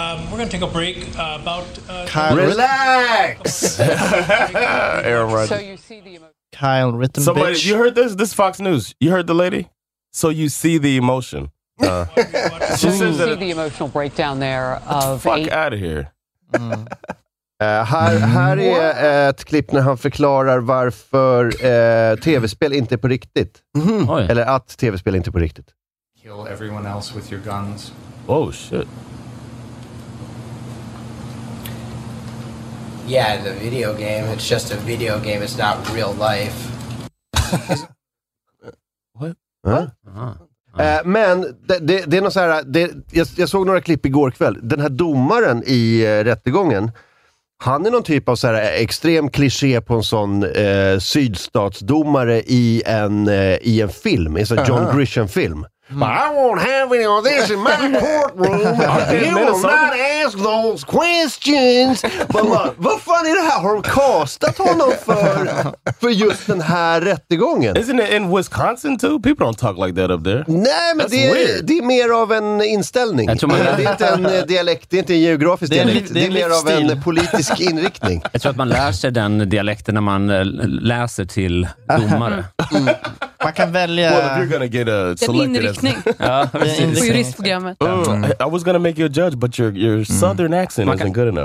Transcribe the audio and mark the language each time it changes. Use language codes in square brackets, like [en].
[en] We're going to take a break relax. Aaron Rodgers. Kyle Rittenbitch. Somebody, you heard this? This is Fox News. You heard the lady? So you see the emotion. She says you see the emotional breakdown there. Out of here. [sv] Här är ett klipp när han förklarar varför tv-spel inte är på riktigt. Mm-hmm. Eller att tv-spel inte är på riktigt. [en] Kill everyone else with your guns. Oh shit. Yeah, the video game. It's just a video game. It's not real life. What? [sv] Men det är något så här, jag såg några klipp igår kväll. Den här domaren i rättegången, han är någon typ av så här extrem kliché på en sån sydstatsdomare i en film, i en sån John Grisham film. [en] But I won't have any of this in my courtroom. You will not ask those questions. But look, [sv] vad fan är det här? Har de kastat honom för just den här rättegången? [en] Isn't it in Wisconsin too? People don't talk like that up there. [sv] Nej, men det är mer av en inställning. Det är inte en dialekt, det är inte en geografisk dialekt. Det är mer av en politisk inriktning. Jag tror att man lär sig den dialekten när man läser till domare. Man kan välja. [en] Well, if you're gonna get a selected. I was gonna make you a judge, but your southern accent isn't good enough.